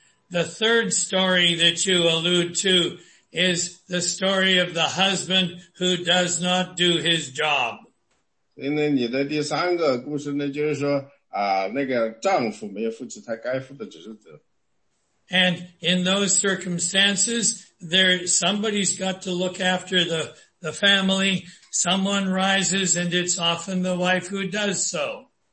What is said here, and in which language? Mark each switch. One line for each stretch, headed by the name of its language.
English: The third story that you allude to is the story of the husband who does not do his job.
Chinese: 所以呢，你的第三个故事呢，就是说，那个丈夫没有负起他该负的职责。
English: And in those circumstances, there somebody's got to look after the family. Someone rises, and it's often the wife who does so.